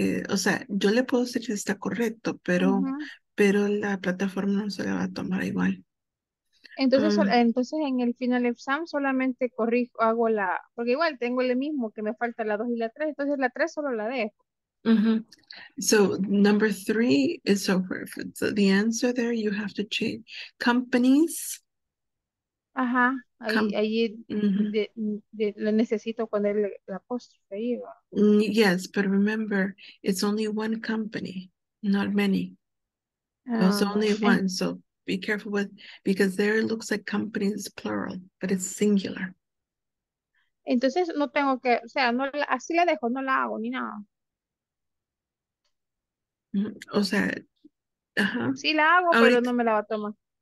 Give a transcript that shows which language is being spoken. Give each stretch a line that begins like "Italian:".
Spanish: O sea, yo le puedo decir si está correcto, pero la plataforma no se la va a tomar igual. Entonces, entonces en el final exam solamente corrijo, hago la, porque igual tengo el mismo, que me falta la 2 y la 3, entonces la 3 solo la dejo.
English: So number 3 is over. So the answer there, you have to change companies.
Spanish: Ajá, ahí lo necesito poner el apóstrofe ahí.
English: Yes, but remember, it's only one company, not many. It's only one, so be careful with, because there it looks like companies plural, but it's singular.
Spanish: Entonces no tengo que, o sea, no, así la dejo, no la hago ni nada. O sea, ajá. Sí la hago, ahorita, pero no me la va a tomar.